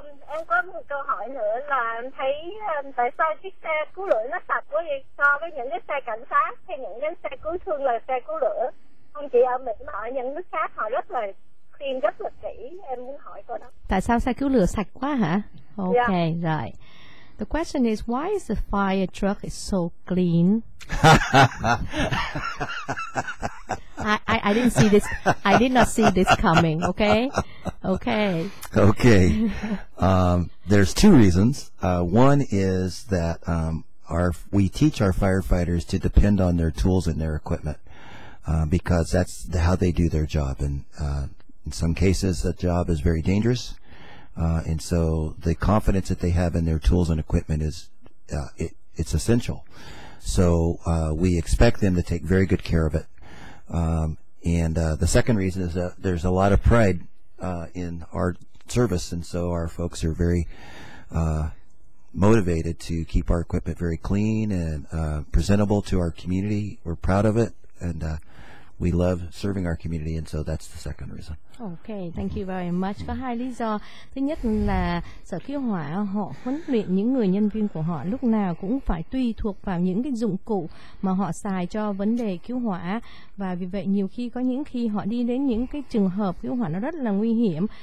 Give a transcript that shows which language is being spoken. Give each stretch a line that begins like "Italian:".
Vietnamese: Em có một câu hỏi nữa là em thấy tại sao chiếc xe cứu lửa nó sạch quá vậy, so với những cái xe cảnh sát hay những cái xe cứu thương là xe cứu lửa. Không chỉ ở Mỹ mà ở những nước khác họ rất là tiêm rất là kỹ. Em muốn hỏi câu đó. Tại sao xe cứu lửa sạch quá hả?
English: Okay, yeah. Right. The question is, why is the fire truck is so clean? I didn't see this. I did not see this coming. Okay? Okay. Okay. There's two reasons. One is that we teach our firefighters to depend on their tools and their equipment because that's how they do their job. And in some cases, the job is very dangerous. And so the confidence that they have in their tools and equipment is it's essential. So we expect them to take very good care of it. The second reason is that there's a lot of pride in our service, and so our folks are very motivated to keep our equipment very clean and presentable to our community. We're proud of it, and we love serving our community, and so that's the second reason. Okay, thank you very much.
Vietnamese: Có hai lý do. Thứ nhất là Sở Cứu Hỏa họ huấn luyện những người nhân viên của họ lúc nào cũng phải tùy thuộc vào những cái dụng cụ mà họ xài cho vấn đề cứu hỏa. Và vì vậy nhiều khi có những khi họ đi đến những cái trường hợp cứu hỏa nó rất là nguy hiểm.